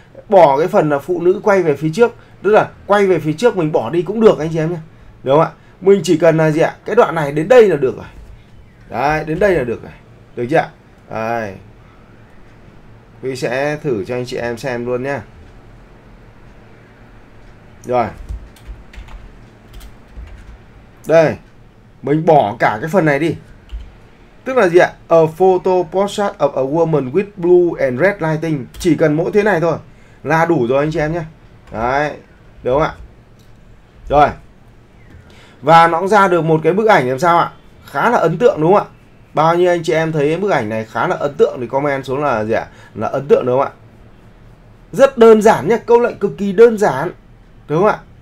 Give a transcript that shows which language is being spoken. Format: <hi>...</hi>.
<vi>Bỏ cái phần là phụ nữ quay về phía trước, tức là quay về phía trước mình bỏ đi cũng được anh chị em nhé, đúng không ạ? Mình chỉ cần là gì ạ? Cái đoạn này đến đây là được rồi. Đấy, đến đây là được rồi. Được chưa ạ? Huy sẽ thử cho anh chị em xem luôn nhé. Rồi. Đây. Mình bỏ cả cái phần này đi. Tức là gì ạ?</vi> <en>A photo portrait of a woman with blue and red lighting.</en> <vi>Chỉ cần mỗi thế này thôi là đủ rồi anh chị em nhé. Đấy. Đúng không ạ? Rồi. Và nó cũng ra được một cái bức ảnh làm sao ạ? Khá là ấn tượng đúng không ạ? Bao nhiêu anh chị em thấy bức ảnh này khá là ấn tượng thì comment xuống là gì ạ? Là ấn tượng đúng không ạ? Rất đơn giản nhé. Câu lệnh cực kỳ đơn giản. Đúng không ạ?</vi>